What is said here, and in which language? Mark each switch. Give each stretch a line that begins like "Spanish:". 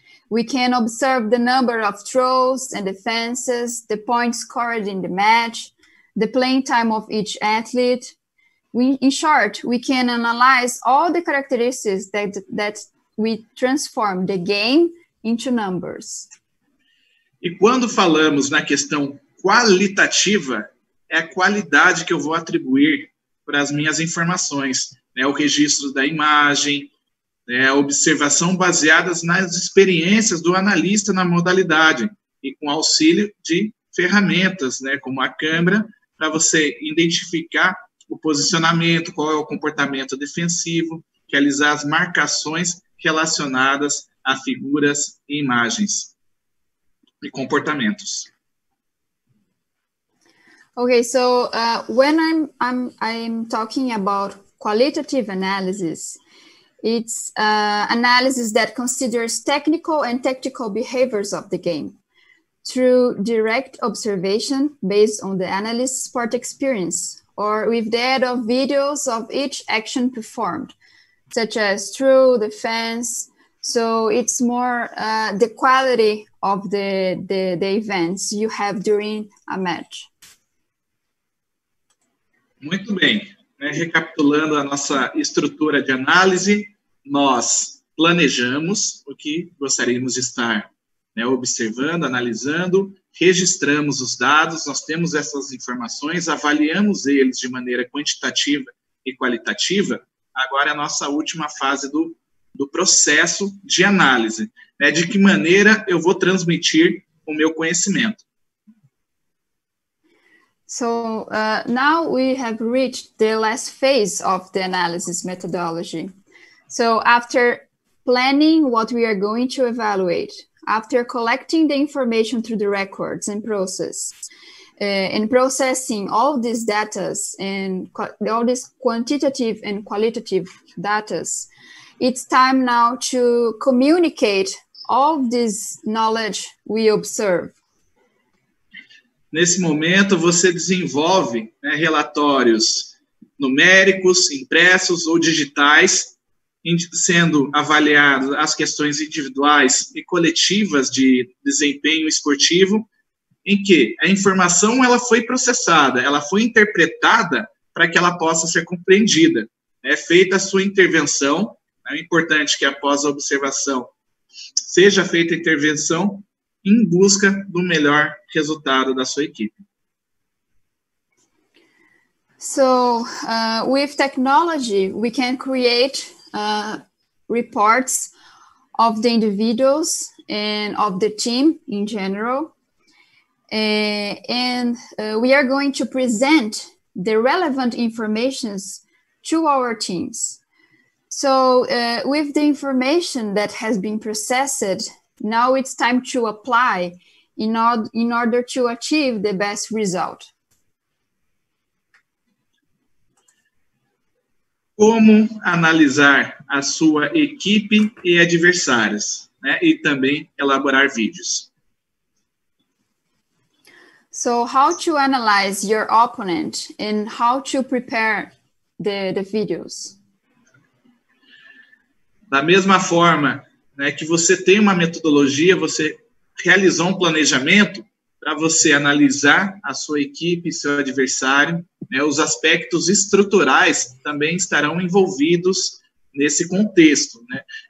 English: We can observe the number of throws and defenses, the points scored in the match, the playing time of each athlete. In short, we can analyze all the characteristics that we transform the game into numbers.
Portuguese: E quando falamos na questão qualitativa, é a qualidade que eu vou atribuir para as minhas informações, né? O registro da imagem, né? A observação baseadas nas experiências do analista na modalidade e com auxílio de ferramentas, né? Como a câmera, para você identificar o posicionamento, qual é o comportamento defensivo, realizar as marcações relacionadas a figuras e imagens e comportamentos.
English: Okay, so when I'm talking about qualitative analysis, it's analysis that considers technical and tactical behaviors of the game through direct observation based on the analyst's sport experience or with the aid of videos of each action performed, such as through defense. So it's more the quality of the events you have during a match.
Portuguese: Muito bem, né? Recapitulando a nossa estrutura de análise, nós planejamos o que gostaríamos de estar, né, observando, analisando, registramos os dados, nós temos essas informações, avaliamos eles de maneira quantitativa e qualitativa, agora é a nossa última fase do processo de análise, né? De que maneira eu vou transmitir o meu conhecimento.
English: So now we have reached the last phase of the analysis methodology. So after planning what we are going to evaluate, after collecting the information through the records and process, and processing all these data and all these quantitative and qualitative data, it's time now to communicate all this knowledge we observe.
Portuguese: Nesse momento, você desenvolve, né, relatórios numéricos, impressos ou digitais, sendo avaliadas as questões individuais e coletivas de desempenho esportivo, em que a informação ela foi processada, ela foi interpretada para que ela possa ser compreendida. É feita a sua intervenção, é importante que após a observação seja feita a intervenção, em busca do melhor resultado da sua equipe.
English: So, with technology, we can create reports of the individuals and of the team in general. We are going to present the relevant information to our teams. So, with the information that has been processed, now it's time to apply in order to achieve the best result.
Portuguese: Como analisar a sua equipe e adversários, né? E também elaborar vídeos.
English: So how to analyze your opponent and how to prepare the videos?
Portuguese: Da mesma forma, né, que você tem uma metodologia, você realizou um planejamento para você analisar a sua equipe, seu adversário, né, os aspectos estruturais também estarão envolvidos nesse contexto. Né.